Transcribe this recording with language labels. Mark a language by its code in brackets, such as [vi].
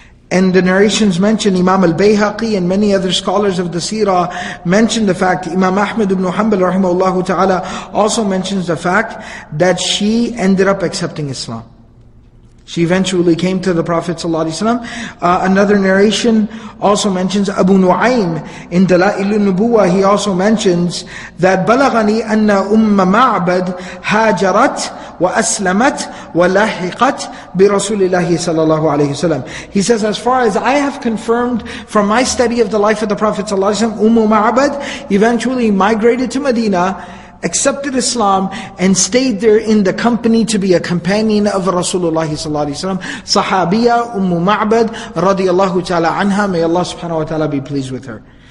[en] And the narrations mention Imam al-Bayhaqi and many other scholars of the Seerah mention the fact, Imam Ahmad ibn Hanbal rahimahullahu ta'ala also mentions the fact that she ended up accepting Islam. She eventually came to the Prophet sallallahu alaihi wasallam. Another narration also mentions Abu Nu'aym in Dala'il al-Nubuwa. He also mentions that [ar] بَلَغَنِي أَنَّ أُمَّ مَعْبَدْ هَاجَرَتْ وَأَسْلَمَتْ وَلَحِقَتْ بِرَسُولِ اللَّهِ صَلَى اللَّهُ عَلَيْهِ وَسَلَّمَ. [en] He says, as far as I have confirmed from my study of the life of the Prophet sallallahu alaihi wasallam, Ummu Ma'bad eventually migrated to Medina, accepted Islam, and stayed there in the company to be a companion of Rasulullah sallallahu alaihi wasallam. Sahabiya Ummu Ma'bad radiyallahu ta'ala anha, may Allah subhanahu wa ta'ala be pleased with her.